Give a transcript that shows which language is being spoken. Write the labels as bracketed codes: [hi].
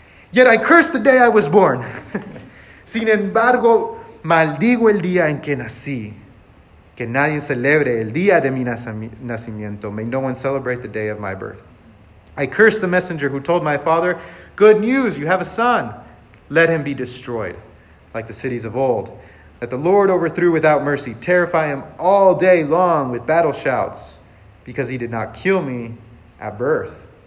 [en] Yet I curse the day I was born. [es] Sin embargo, maldigo el día en que nací. Que nadie celebre el día de mi nacimiento. [en] May no one celebrate the day of my birth. I curse the messenger who told my father, good news, you have a son. Let him be destroyed, like the cities of old. That the Lord overthrew without mercy. Terrify him all day long with battle shouts. Because he did not kill me at birth.